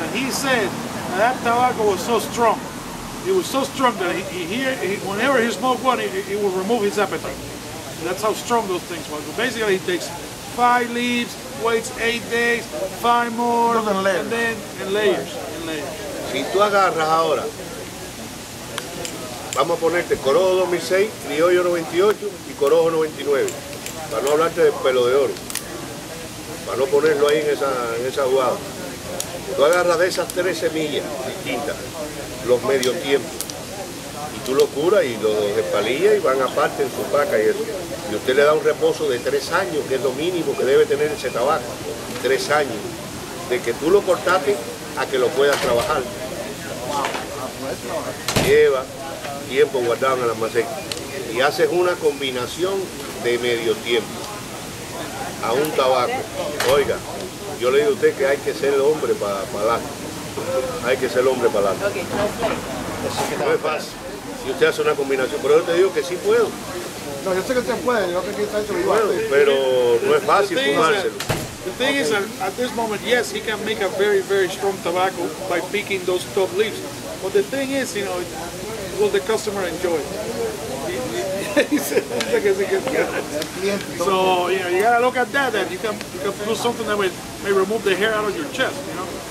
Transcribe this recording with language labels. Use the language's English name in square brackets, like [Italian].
[English] And he said that tobacco was so strong. It was so strong that whenever he smoked one, it would remove his appetite. And that's how strong those things were. But basically, he takes 5 leaves, waits 8 days, 5 more, and then layers. [Spanish] Si tú agarras ahora, vamos a ponerte Corojo 2006, Criollo 98 y Corojo 99, para no hablarte del pelo de oro, para no ponerlo ahí en esa jugada. Tú agarras de esas 3 semillas distintas, los medio tiempos, y tú lo curas y los despalillas y van aparte en su paca y eso. Y usted le da un reposo de 3 años, que es lo mínimo que debe tener ese tabaco, 3 años, de que tú lo cortaste a que lo puedas trabajar. Lleva tiempo guardado en el almacén y haces una combinación de medio tiempo a un tabaco. Oiga, yo le digo a usted que hay que ser el hombre para adelante. Hay que ser el hombre para adelante. No es fácil. Si usted hace una combinación, pero yo te digo que sí puedo. No, yo sé que usted puede, yo creo que está hecho igual. Pero no es fácil fumárselo. [English] The thing is, at this moment, yes, he can make a very, very strong tobacco by picking those top leaves. But the thing is, you know, will the customer enjoy it? So, you know, you gotta look at that, and you can do something that may remove the hair out of your chest, you know?